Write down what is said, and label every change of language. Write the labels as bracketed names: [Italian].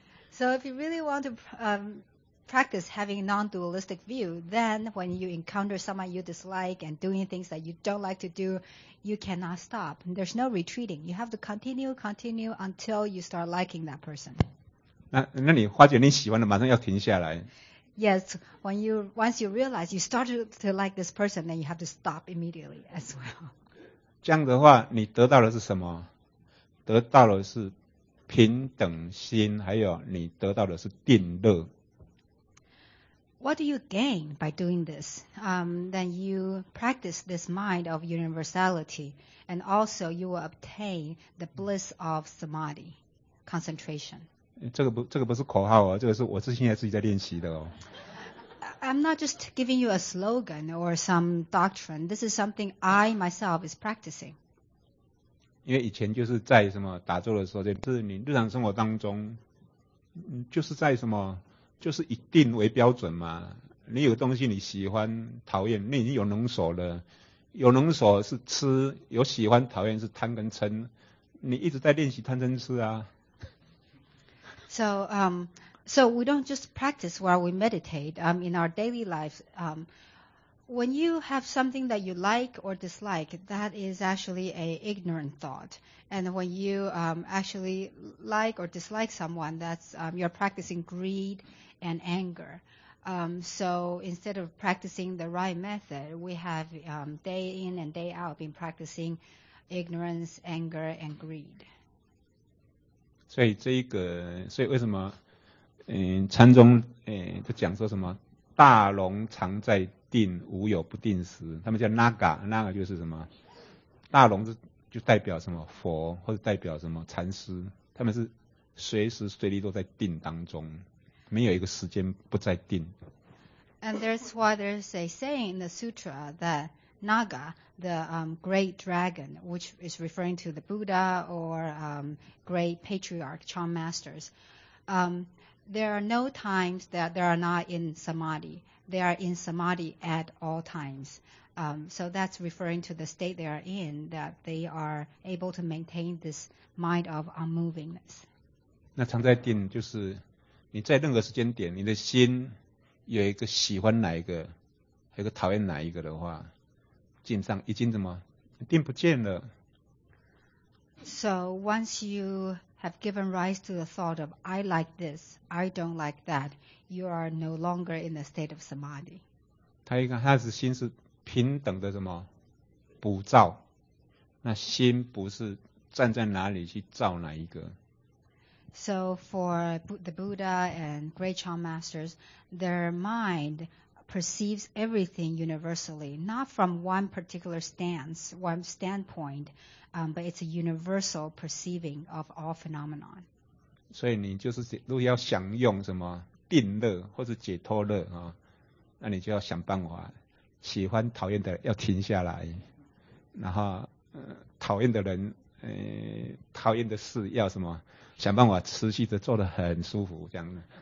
[English] So if you really want to practice having non-dualistic view, then when you encounter someone you dislike and doing things that you don't like to do, you cannot stop. There's no retreating. You have to continue until you start liking that person. [Chinese] 那你发觉你喜欢的，马上要停下来。 [English] Yes, once you realize you started to like this person, then you have to stop immediately as well. [Chinese] 这样的话，你得到的是什么？得到的是平等心，还有你得到的是定乐。 [English] What do you gain by doing this? Then you practice this mind of universality, and also you will obtain the bliss of samadhi, concentration. [Chinese] 这个不是口号哦，这个是我是现在自己在练习的哦。 [English] I'm not just giving you a slogan or some doctrine. This is something I myself is practicing. [Chinese] 因为以前就是在什么打坐的时候，就是你日常生活当中，就是在什么。就是以定为标准嘛，你有东西你喜欢讨厌，你已经有能所了，有能所是吃，有喜欢讨厌是贪跟嗔，你一直在练习贪嗔痴啊。 [English] So we don't just practice while we meditate. In our daily life, when you have something that you like or dislike, that is actually a ignorant thought. And when you actually like or dislike someone, that's you're practicing greed and anger. So instead of practicing the right method, we have day in and day out been practicing ignorance, anger, and greed. [Chinese] 所以为什么禅宗就讲说什么大龙常在定，无有不定时，他们叫 Naga 就是什么大龙，就代表什么佛，或者代表什么禅师，他们是随时随地都在定当中，没有一个时间不在定。 [English] And that's why there's a saying in the sutra that Naga, the great dragon, which is referring to the Buddha or great patriarch, Chan masters, there are no times that they are not in samadhi. They are in samadhi at all times. So that's referring to the state they are in, that they are able to maintain this mind of unmovingness. [Chinese] 那常在定就是你在任何时间点，你的心有一个喜欢哪一个，还有一个讨厌哪一个的话，经常已经怎么定不见了。 [English] So once you have given rise to the thought of I like this, I don't like that, you are no longer in the state of samadhi. [Chinese] 他的心是平等的什么不照，那心不是站在哪里去照哪一个。 [English] So for the Buddha and great Chan masters, their mind perceives everything universally, not from one particular stance, one standpoint, but it's a universal perceiving of all phenomenon. [Chinese] 所以你就是如果要享用什么定乐或者解脱乐啊，那你就要想办法，喜欢讨厌的要停下来，然后讨厌的人讨厌的事要什么想办法持续的做得很舒服这样的。